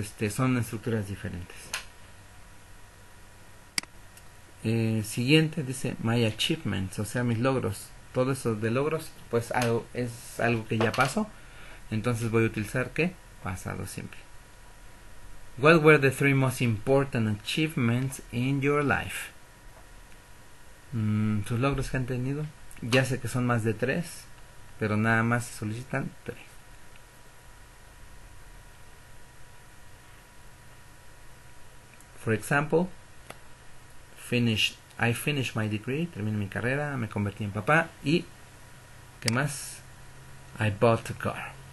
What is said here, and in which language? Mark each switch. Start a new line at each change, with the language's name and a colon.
Spanish: Son estructuras diferentes. Siguiente dice
English: my achievements,
Spanish: o sea mis logros. Todo eso de logros, pues algo es algo que ya pasó. Entonces voy a utilizar ¿qué? Pasado simple.
English: What were the three most important achievements in your life?
Spanish: Sus logros que han tenido. Ya sé que son más de tres, pero nada más se solicitan tres.
English: For example, I finished my degree,
Spanish: terminé mi carrera, me convertí en papá y, ¿qué más?
English: I bought a car.